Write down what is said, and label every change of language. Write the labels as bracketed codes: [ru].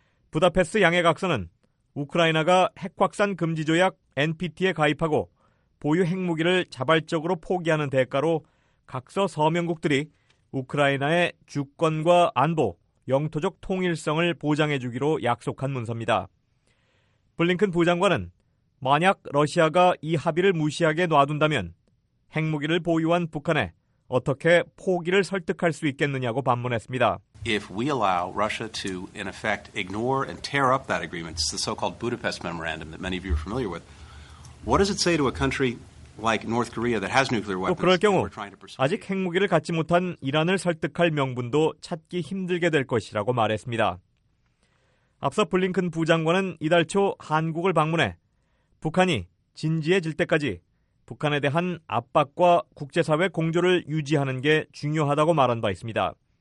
[ko] 부다페스트 양해 각서는 우크라이나가 핵확산 금지 조약 NPT에 가입하고 보유 핵무기를 자발적으로 포기하는 대가로 각서 서명국들이 우크라이나의 주권과 안보, 영토적 통일성을 보장해주기로 약속한 문서입니다. 블링컨 부장관은 만약 러시아가 이 합의를 무시하게 놔둔다면 핵무기를 보유한 북한에 어떻게 포기를 설득할 수 있겠느냐고 반문했습니다. [en] If we allow Russia to, in effect, ignore and tear up that agreement, it's the so-called Budapest Memorandum that many of you are familiar with, what does it say to a country like North Korea that has nuclear weapons? [ko] 또 그럴 경우 아직 핵무기를 갖지 못한 이란을 설득할 명분도 찾기 힘들게 될 것이라고 말했습니다. 앞서 블링컨 부장관은 이달 초 한국을 방문해 북한이 진지해질 때까지 북한에 대한 압박과 국제사회 공조를 유지하는 게 중요하다고 말한 바 있습니다.